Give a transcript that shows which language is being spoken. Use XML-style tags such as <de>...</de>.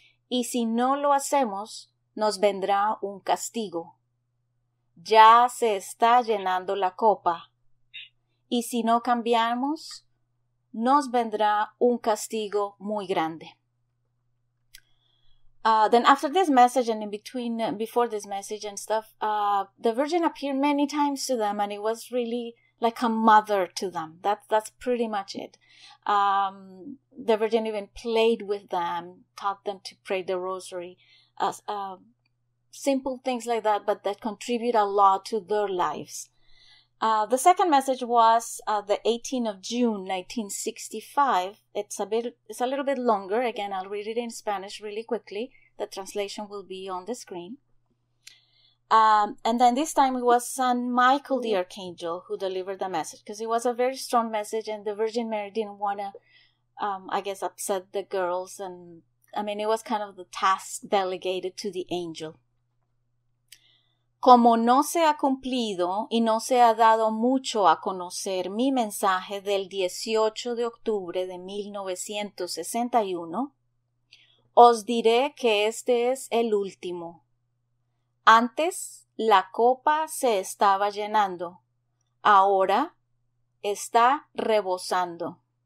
<es>y si no lo hacemos, nos vendrá un castigo. Ya se está llenando la copa, y si no cambiamos, nos vendrá un castigo muy grande.</es> <en>Then after this message and in between, before this message and stuff, the Virgin appeared many times to them, and it was really like a mother to them. That's pretty much it. The Virgin even played with them, taught them to pray the rosary, simple things like that, but that contribute a lot to their lives. The second message was the 18th of June, 1965. It's a little bit longer. Again, I'll read it in Spanish really quickly. The translation will be on the screen. And then this time it was San Michael the Archangel who delivered the message, because it was a very strong message and the Virgin Mary didn't want to, I guess, upset the girls. And I mean, it was kind of the task delegated to the angel.</en> <es>Como no se ha cumplido y no se ha dado mucho a conocer mi mensaje del 18 de octubre de 1961, os diré que este es el último. Antes la copa se estaba llenando, ahora está rebosando.</es>